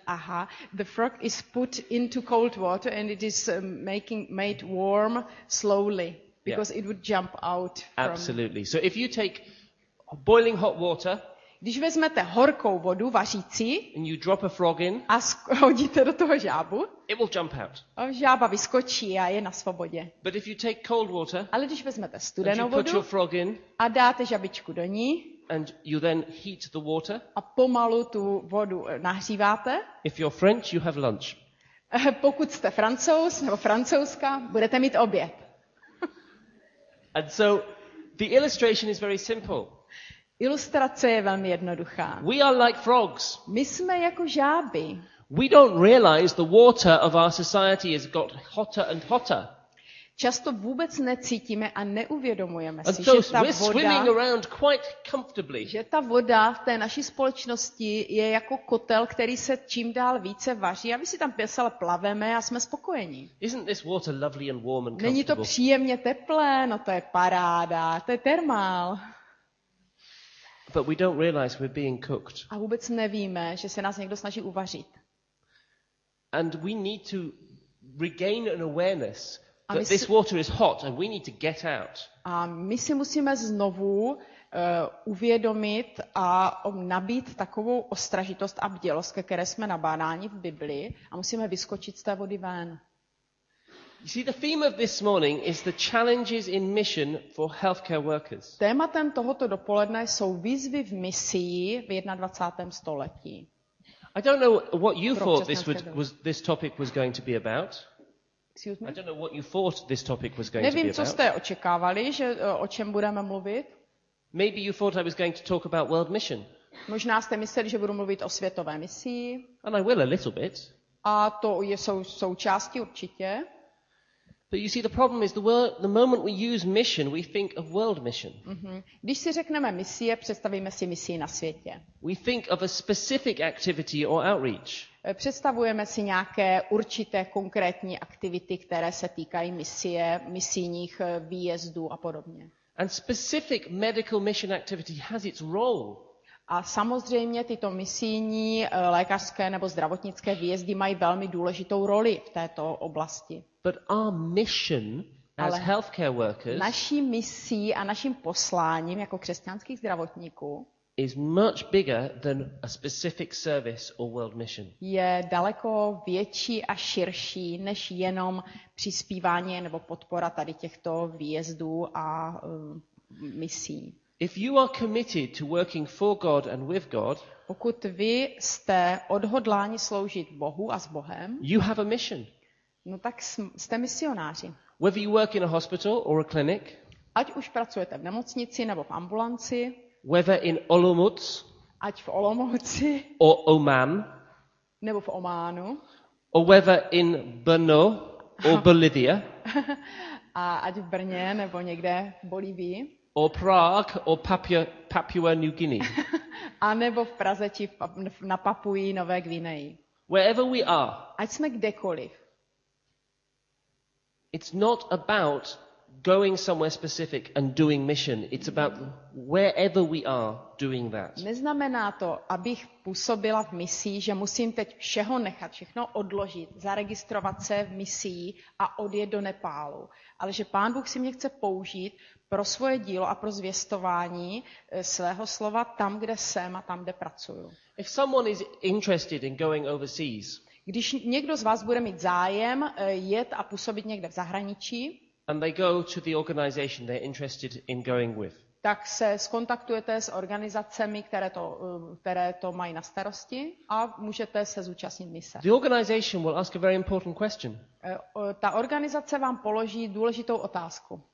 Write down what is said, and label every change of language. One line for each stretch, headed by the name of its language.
English: Aha, the frog is put into cold water and it is made warm slowly because it would jump out. Absolutely. So if you take boiling hot water,
Czech: když vezmete horkou vodu vařící,
English: and you drop a frog in,
Czech: a hodíte do toho žábu,
English: it will jump out.
Czech: Žába vyskočí a je na svobodě.
English: But if you take cold water,
Czech: ale když vezmete studenou vodu,
English: and you put your frog in,
Czech: a dáte žabičku do ní,
English: and you then heat the water,
Czech: a pomalu tu vodu nahříváte,
English: if you're French, you have lunch.
Czech: Pokud jste Francouz nebo Francouzka, budete mít oběd.
English: And so the illustration is very simple.
Czech: Ilustrace je velmi jednoduchá.
English: We are like frogs.
Czech: My jsme jako žáby.
English: We don't realize the water of our society has got hotter and hotter.
Czech: Často vůbec necítíme a neuvědomujeme si,
English: and
Czech: že ta
English: we're
Czech: voda,
English: swimming around quite comfortably.
Czech: Že ta voda v té naší společnosti je jako kotel, který se čím dál více vaří. A my si tam pěsel plaveme a jsme spokojení.
English: Isn't this water lovely and warm and comfortable?
Czech: Není to příjemně teplé? No to je paráda. To je termál.
English: But we don't realize we're being cooked.
Czech: A vůbec nevíme, že se nás někdo snaží uvařit.
English: And we need to regain an awareness that this water is hot and we need to get out.
Czech: A my si musíme znovu uvědomit a nabít takovou ostražitost a bdělost, ke které jsme nabádáni v Biblii, a musíme vyskočit z té vody ven.
English: You see, the theme of this morning is the challenges in mission for healthcare workers.
Czech: Tématem tohoto dopoledne jsou výzvy v misii v 21. století.
English: I don't know what you thought this topic was going to be about. Excuse me? I don't know what you thought this topic was going
Czech: Nevím,
English: to be about.
Czech: Nevím, co jste očekávali, že o čem budeme mluvit.
English: Maybe you thought I was going to talk about world mission.
Czech: Možná jste mysleli, že budu mluvit o světové misii.
English: And I will a little bit.
Czech: A to je součástí určitě.
English: But you see, the problem is the moment we use mission, we think of world mission. Mm-hmm.
Czech: Když si řekneme misie, představíme si misi na světě.
English: We think of a specific activity or outreach.
Czech: Představujeme si nějaké určité konkrétní aktivity, které se týkají misie, misijních výjezdů a podobně.
English: And specific medical mission activity has its role.
Czech: A samozřejmě tyto misijní lékařské nebo zdravotnické výjezdy mají velmi důležitou roli v této oblasti.
English: But our mission as healthcare workers,
Czech: naší misí a naším posláním jako křesťanských zdravotníků,
English: is much bigger than a specific service or world mission.
Czech: Je daleko větší a širší než jenom přispívání nebo podpora tady těchto výjezdů a misí.
English: If you are committed to working for God and with God,
Czech: pokud vy jste odhodláni sloužit Bohu a s Bohem,
English: you have a mission.
Czech: No tak jste misionáři.
English: Whether you work in a hospital or a clinic,
Czech: ať už pracujete v nemocnici nebo v ambulanci,
English: whether in Olomouc,
Czech: ať v Olomouci,
English: or Oman,
Czech: nebo v Ománu,
English: or whether in Brno or Bolivia,
Czech: a ať v Brně nebo někde v Bolívii,
English: or Prague or Papua New Guinea,
Czech: a nebo v Praze či na Papuji Nové Guineji.
English: Wherever we are,
Czech: ať jsme kdekoliv.
English: It's not about going somewhere specific and doing mission. It's about wherever we are doing that.
Czech: Neznamená to, abych působila v misii, že musím teď všeho nechat, všechno odložit, zaregistrovat se v misii a odjet do Nepálu. Ale že Pán Bůh si mě chce použít pro svoje dílo a pro zvěstování svého slova tam, kde jsem a tam, kde pracuju.
English: If someone is interested in going overseas,
Czech: když někdo z vás bude mít zájem jet a působit někde v zahraničí,
English: and they go to the organization they're interested in going with,
Czech: tak se skontaktujete s organizacemi, které to mají na starosti, a můžete se zúčastnit mise.
English: The organization will ask a very important question.
Czech: Ta organizace vám položí důležitou otázku.